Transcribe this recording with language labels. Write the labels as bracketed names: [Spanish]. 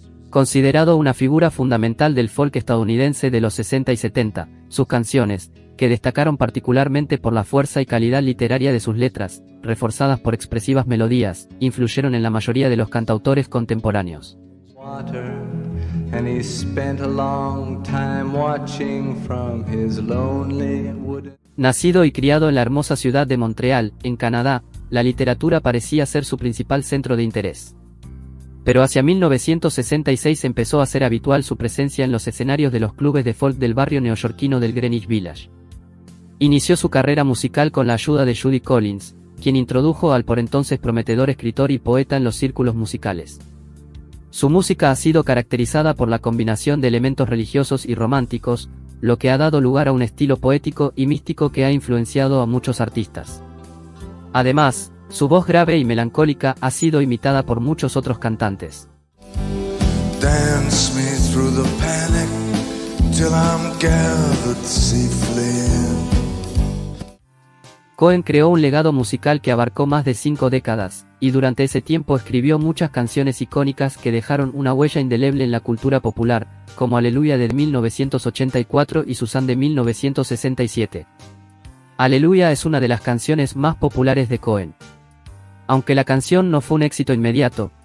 [Spanish] Considerado una figura fundamental del folk estadounidense de los 60 y 70, sus canciones, que destacaron particularmente por la fuerza y calidad literaria de sus letras, reforzadas por expresivas melodías, influyeron en la mayoría de los cantautores contemporáneos. [English] Water. And he spent a long time watching from his lonely wooden... [Spanish] Nacido y criado en la hermosa ciudad de Montreal, en Canadá, la literatura parecía ser su principal centro de interés. Pero hacia 1966 empezó a ser habitual su presencia en los escenarios de los clubes de folk del barrio neoyorquino del Greenwich Village. Inició su carrera musical con la ayuda de Judy Collins, quien introdujo al por entonces prometedor escritor y poeta en los círculos musicales. Su música ha sido caracterizada por la combinación de elementos religiosos y románticos, lo que ha dado lugar a un estilo poético y místico que ha influenciado a muchos artistas. Además, su voz grave y melancólica ha sido imitada por muchos otros cantantes. [English] Dance me through the panic till I'm gathered safely. [Spanish] Cohen creó un legado musical que abarcó más de 5 décadas, y durante ese tiempo escribió muchas canciones icónicas que dejaron una huella indeleble en la cultura popular, como Aleluya de 1984 y Susan de 1967. Aleluya es una de las canciones más populares de Cohen. Aunque la canción no fue un éxito inmediato,